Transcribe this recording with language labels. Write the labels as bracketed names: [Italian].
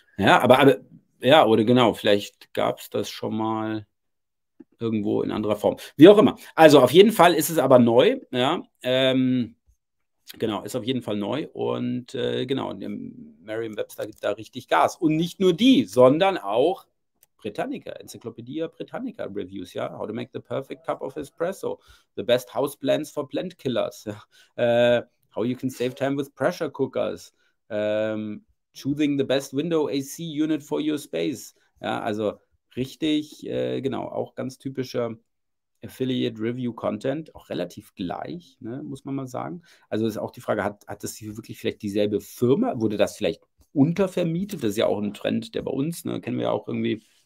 [German] Ja, aber ja, oder genau, vielleicht gab es das schon mal irgendwo in anderer Form. Wie auch immer. Also auf jeden Fall ist es aber neu. Ja. Genau, ist auf jeden Fall neu und genau, und Merriam-Webster gibt da richtig Gas. Und nicht nur die, sondern auch Britannica, Encyclopedia Britannica Reviews, ja. [English] How to make the perfect cup of espresso. The best house plans for plant killers. How you can save time with pressure cookers. Choosing the best window AC unit for your space. [German] Ja, also richtig, genau, auch ganz typischer Affiliate Review Content, auch relativ gleich, ne, muss man mal sagen. Also ist auch die Frage, hat das hier wirklich vielleicht dieselbe Firma? Wurde das vielleicht untervermietet? Das ist ja auch ein Trend, der bei uns, ne, kennen wir ja auch irgendwie,